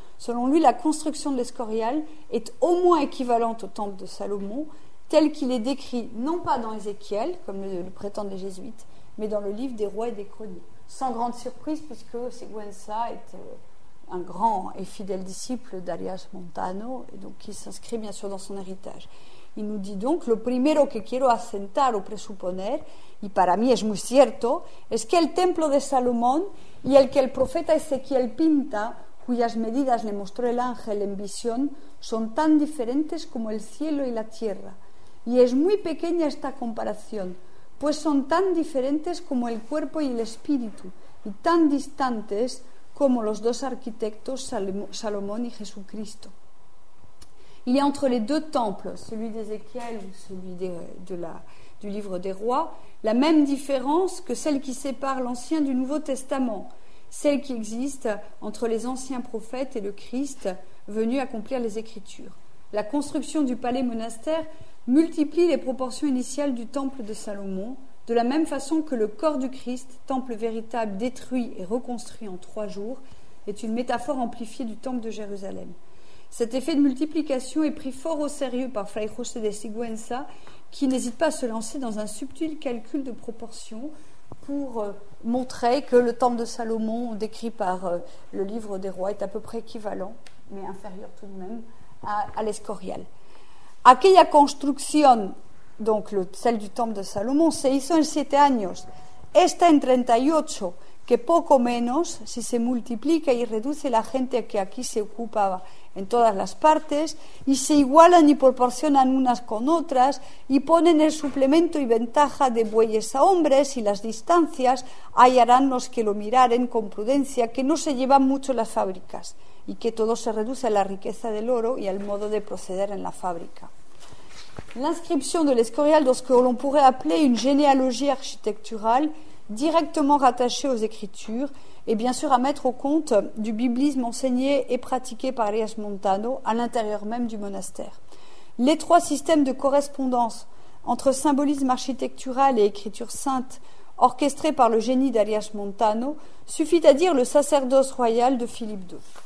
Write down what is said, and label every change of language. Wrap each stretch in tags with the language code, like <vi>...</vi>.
<fr>Selon lui, la construction de l'Escorial est au moins équivalente au temple de Salomon, tel qu'il est décrit non pas dans Ézéchiel, comme le prétendent les jésuites, mais dans le livre des rois et des chroniques. Sans grande surprise, puisque Sigüenza est un grand et fidèle disciple d'Arias Montano, et donc qui s'inscrit bien sûr dans son héritage. Il nous dit donc</fr> <es>« Lo primero que quiero asentar o presuponer, y para mí es muy cierto, es que el templo de Salomón y el que el profeta Ezequiel pinta, cuyas medidas le mostró el ángel en visión, son tan diferentes como el cielo y la tierra. Y es muy pequeña esta comparación, pues son tan diferentes como el cuerpo y el espíritu, y tan distantes como los dos arquitectos Salomón y Jesucristo.</es> <fr>Il y a entre les deux temples, celui d'Ézéchiel ou celui du livre des rois, la même différence que celle qui sépare l'Ancien du Nouveau Testament, celle qui existe entre les anciens prophètes et le Christ venu accomplir les Écritures. La construction du palais monastère multiplie les proportions initiales du temple de Salomon, de la même façon que le corps du Christ, temple véritable détruit et reconstruit en 3 jours, est une métaphore amplifiée du temple de Jérusalem. Cet effet de multiplication est pris fort au sérieux par Fray José de Sigüenza, qui n'hésite pas à se lancer dans un subtil calcul de proportions pour montrer que le temple de Salomon, décrit par le livre des rois, est à peu près équivalent, mais inférieur tout de même, à l'Escorial.</fr> <es>Aquella construcción,</es> <fr>donc celle du temple de</fr> <es>Salomón, se hizo en 7 años. Esta en 38, que poco menos, si se multiplica y reduce la gente que aquí se ocupaba en todas las partes, y se igualan y proporcionan unas con otras, y ponen el suplemento y ventaja de bueyes a hombres y las distancias, hallarán los que lo miraren con prudencia, que no se llevan mucho las fábricas, y que todo se reduce a la riqueza del oro y al modo de proceder en la fábrica.</es> <fr>L'inscription de l'Escorial dans ce que l'on pourrait appeler une généalogie architecturale directement rattachée aux Écritures est bien sûr à mettre au compte du biblisme enseigné et pratiqué par Arias Montano à l'intérieur même du monastère. L'étroit système de correspondance entre symbolisme architectural et écriture sainte orchestré par le génie d'Arias Montano suffit à dire le sacerdoce royal de Philippe II.</fr>